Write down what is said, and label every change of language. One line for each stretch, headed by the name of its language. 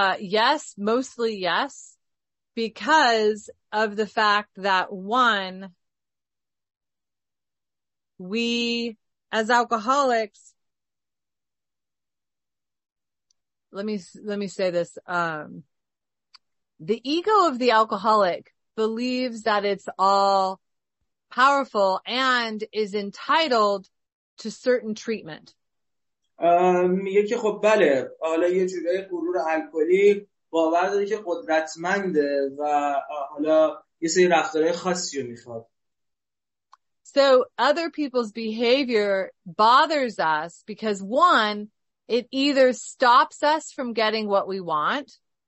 English: Yes, mostly yes, because of the fact that one, we as alcoholics, let me say this, the ego of the alcoholic believes that it's all powerful and is entitled to certain treatment.
Persian: میگه که خب بله، حالا یه جورای غرور الکلی باور داره که قدرتمنده و حالا یه سری رفتارهای خاصی رو میخواد.
English: So other people's behavior bothers us because one, it either stops us from getting what we want.